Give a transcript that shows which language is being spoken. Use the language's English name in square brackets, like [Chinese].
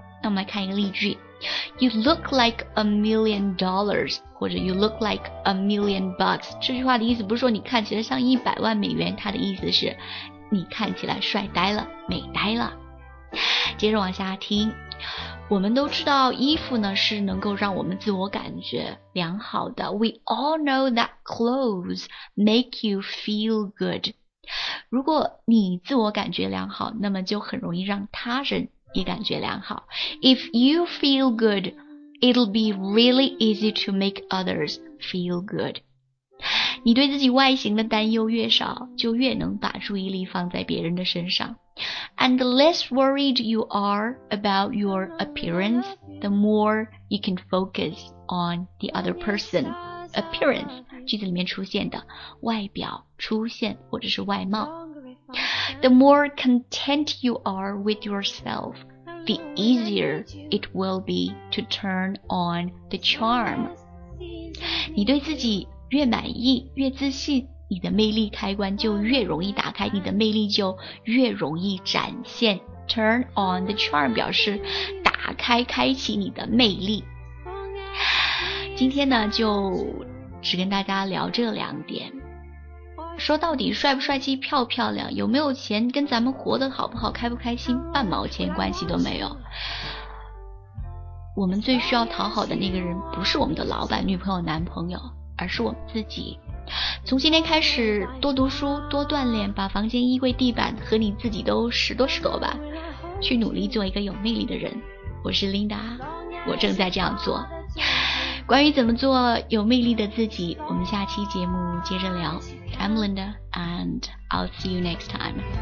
[Chinese] 那我们来看一个例句， [English] You look like a million dollars, [Chinese] 或者 [English] You look like a million bucks, [Chinese] 这句话的意思不是说你看起来像100万美元，它的意思是你看起来帅呆了，美呆了。接着往下听，我们都知道衣服呢是能够让我们自我感觉良好的。 [English] We all know that clothes make you feel good. [Chinese] 如果你自我感觉良好，那么就很容易让他人也感觉良好。 [English] If you feel good, it'll be really easy to make others feel good. [Chinese] 你对自己外形的担忧越少，就越能把注意力放在别人的身上。 [English] And the less worried you are about your appearance, the more you can focus on the other person. [Chinese] Appearance, 句子里面出现的外表、出现或者是外貌。 [English] The more content you are with yourself, the easier it will be to turn on the charm. [Chinese] 你对自己越满意、越自信，你的魅力开关就越容易打开，你的魅力就越容易展现。 [English] Turn on the charm [Chinese] 表示打开、开启你的魅力。今天呢就只跟大家聊这两点，说到底帅不帅气、漂不漂亮、有没有钱，跟咱们活得好不好、开不开心半毛钱关系都没有。我们最需要讨好的那个人不是我们的老板、女朋友、男朋友，而是我们自己。从今天开始多读书、多锻炼，把房间、衣柜、地板和你自己都拾掇吧，去努力做一个有魅力的人。我是 Linda, 我正在这样做。关于怎么做有魅力的自己，我们下期节目接着聊。 [English] I'm Linda, and I'll see you next time.